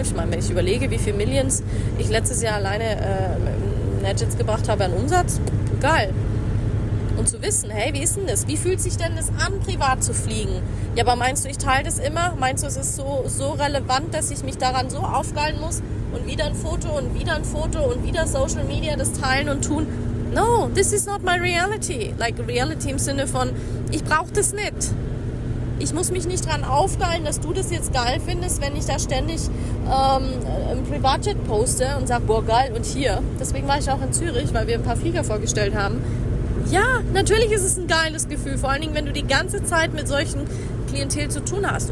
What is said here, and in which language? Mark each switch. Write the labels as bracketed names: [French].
[German] Ich meine, wenn ich überlege, wie viele Millions ich letztes Jahr alleine Nadgets gebracht habe an Umsatz, geil. Und zu wissen, hey, wie ist denn das? Wie fühlt sich denn das an, privat zu fliegen? Ja, aber meinst du, ich teile das immer? Meinst du, es ist so relevant, dass ich mich daran so aufgeilen muss und wieder ein Foto und wieder ein Foto und wieder Social Media das teilen und tun? [English] No, this is not my reality. Like reality [German] im Sinne von, ich brauche das nicht. Ich muss mich nicht dran aufgeilen, dass du das jetzt geil findest, wenn ich da ständig ein Privatjet poste und sage, boah geil, und hier. Deswegen war ich auch in Zürich, weil wir ein paar Flieger vorgestellt haben. Ja, natürlich ist es ein geiles Gefühl, vor allen Dingen, wenn du die ganze Zeit mit solchen Klientel zu tun hast.